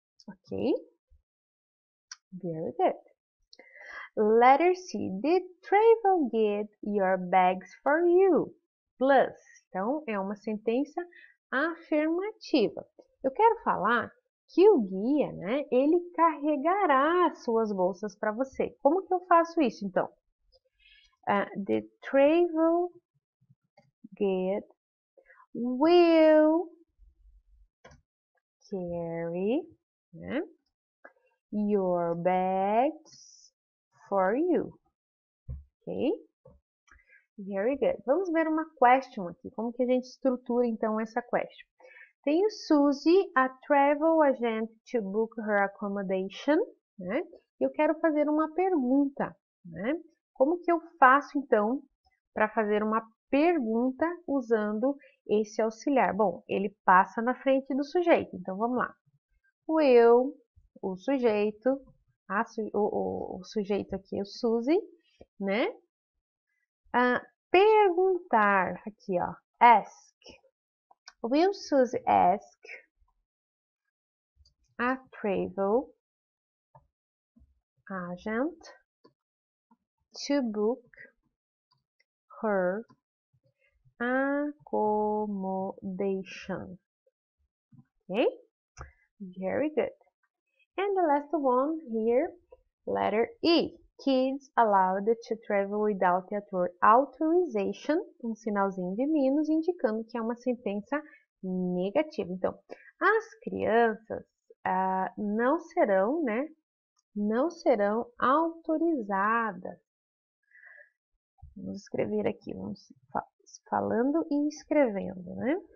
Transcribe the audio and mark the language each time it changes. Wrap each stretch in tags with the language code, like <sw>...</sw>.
<en>Ok? Very good. Letter C. Did travel get your bags for you? Plus.</en> <pt>Então é uma sentença afirmativa. Eu quero falar que o guia, né, ele carregará as suas bolsas para você. Como que eu faço isso, então?</pt> <en>The travel guide will carry, né, your bags for you. Ok? Very good.</en> <pt>Vamos ver uma question aqui. Como que a gente estrutura, então, essa question? Tenho Suzy,</pt> <en>a travel agent to book her accommodation,</en> <pt>né? E eu quero fazer uma pergunta, né? Como que eu faço então para fazer uma pergunta usando esse auxiliar? Bom, ele passa na frente do sujeito, então vamos lá. O eu, o sujeito, o sujeito aqui é o Suzy, né? Perguntar aqui, ó,</pt> <en>ask. Will Suzy ask a travel agent to book her accommodation? Okay, very good. And the last one here, letter E. Kids allowed to travel without authorization,</en> <pt>um sinalzinho de menos indicando que é uma sentença negativa. Então, as crianças não serão, né? Não serão autorizadas. Vamos escrever aqui, vamos falando e escrevendo, né?</pt>